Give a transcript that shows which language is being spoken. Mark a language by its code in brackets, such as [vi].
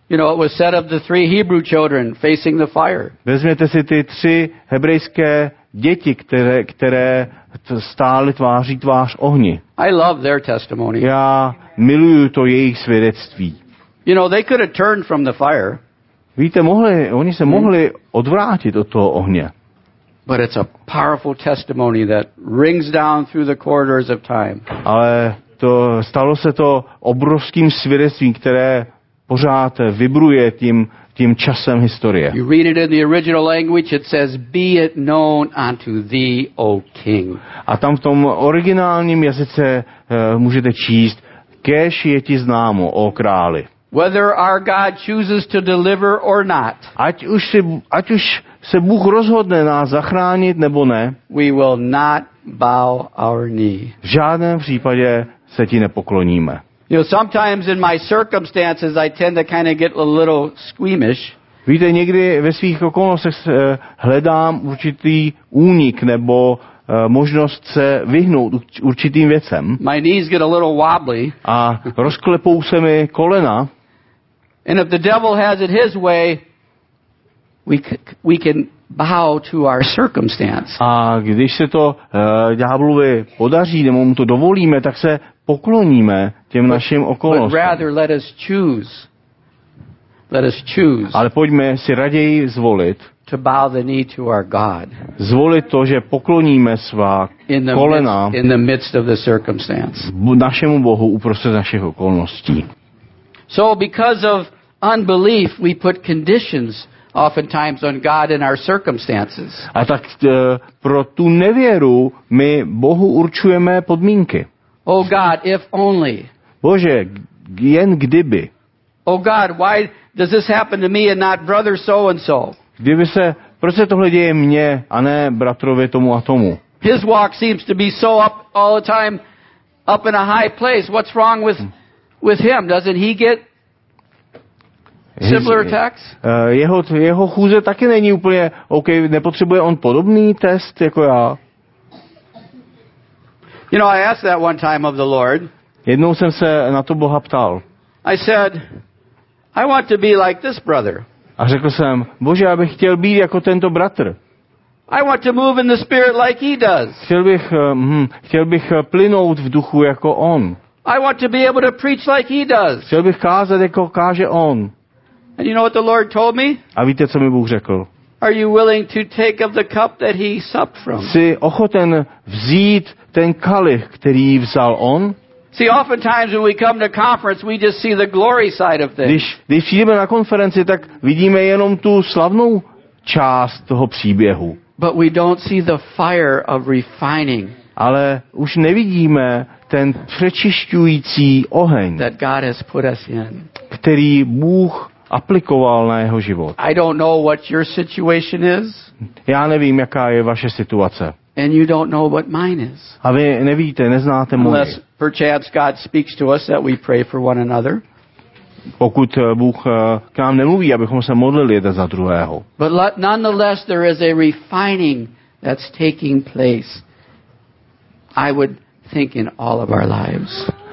[en] You know, it was said of the three Hebrew children facing the fire. [cs] Vezměte si ty tři hebrejské děti, které stály tváří tvář ohni. [en] I love their testimony. [cs] Já miluju to jejich svědectví. [en] You know, they could have turned from the fire. [cs] Víte, oni se mohli odvrátit od toho ohně. [en] But it's a powerful testimony that rings down through the corridors of time. [cs] Ale to stalo se to obrovským svědectvím, které pořád vibruje tím časem historie. [en] You read it in the original language, it says, "Be it known unto thee, O King." [cs] A tam v tom originálním jazyce můžete číst, kéž je ti známo, o králi. [en] Whether our God chooses to deliver or not. [cs] Ať už se Bůh rozhodne nás zachránit nebo ne. [en] We will not bow our knee. [cs] V žádném případě se ti nepokloníme. [en] You know, sometimes in my circumstances I tend to kind of get a little squeamish. [cs] Víte, někdy ve svých okolnostech hledám určitý únik nebo možnost se vyhnout určitým věcem. [en] My knees get a little wobbly. [cs] A rozklepou se mi kolena. [en] And if the devil has it his way, we can bow to our circumstance. [cs] A když se to ďáblovi podaří, nebo mu to dovolíme, tak se pokloníme těm našim okolnostem. [en] But rather let us choose. Let us choose. [cs] Ale pojďme si raději zvolit. [en] To bow the knee to our God. [cs] Zvolit to, že pokloníme svá kolena [en] in the midst of the circumstance. [cs] Našemu Bohu uprostřed našich okolností. [en] So because of unbelief, we put conditions oftentimes on God in our circumstances. [cs] A tak pro tu nevěru my Bohu určujeme podmínky. [en] Oh God, if only. [cs] Bože, jen kdyby. [en] Oh God, why does this happen to me and not brother so and so? [cs] Kdyby se, proč se tohle děje mně a ne bratrovi tomu a tomu? [en] His walk seems to be so up all the time, up in a high place. What's wrong with him? Doesn't he get similar attacks? [cs] Jeho chůze taky není úplně OK, nepotřebuje on podobný test jako já. [en] You know, I asked that one time of the Lord. [cs] Jednou jsem se na to Boha ptal. [en] I said, I want to be like this brother. [cs] A řekl jsem, Bože, já bych chtěl být jako tento bratr. [en] I want to move in the spirit like he does. [cs] Chtěl bych plynout v duchu jako on. [en] I want to be able to preach like he does. [cs] Chtěl bych kázat jako káže on. [en] And you know what the Lord told me? [cs] A víte, co mi Bůh řekl? [en] Are you willing to take of the cup that he supped from? [cs] Jsi ochoten vzít ten kalich, který vzal on? [en] See, oftentimes when we come to conference, we just see the glory side of things. [cs] Když přijdeme na konferenci, tak vidíme jenom tu slavnou část toho příběhu. [en] But we don't see the fire of refining. [cs] Ale už nevidíme ten přečišťující oheň, [en] that God has put us in. [cs] Který Bůh aplikoval na jeho život. [en] I don't know what your situation is. [cs] Já nevím, jaká je vaše situace. [en] And you don't know what mine is. [cs] A vy nevíte, neznáte moje. [en] Unless perchance God speaks to us that we pray for one another. [cs] Pokud Bůh k nám nemluví, abychom se modlili jeden za druhého. [en] But nonetheless there is a refining that's taking place. I would think in all of our lives.